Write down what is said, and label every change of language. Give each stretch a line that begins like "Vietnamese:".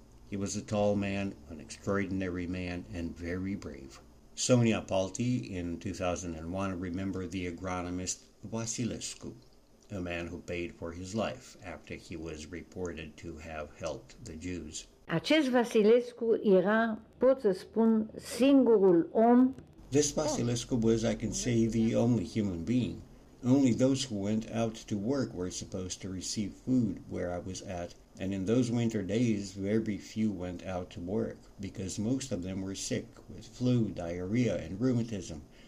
English: He was a tall man, an extraordinary man, and very brave. Sonia Palti, in 2001, remembered the agronomist Vasilescu, a man who paid for his life after he was reported to have helped the Jews.
Romanian: Acest Vasilescu era, pot să spun, singurul om.
English: This Vasilescu was, I can say, the only human being. Only those who went out to work were supposed to receive food where I was at. And in those winter days, very few went out to work, because most of them were sick with flu, diarrhea, and rheumatism.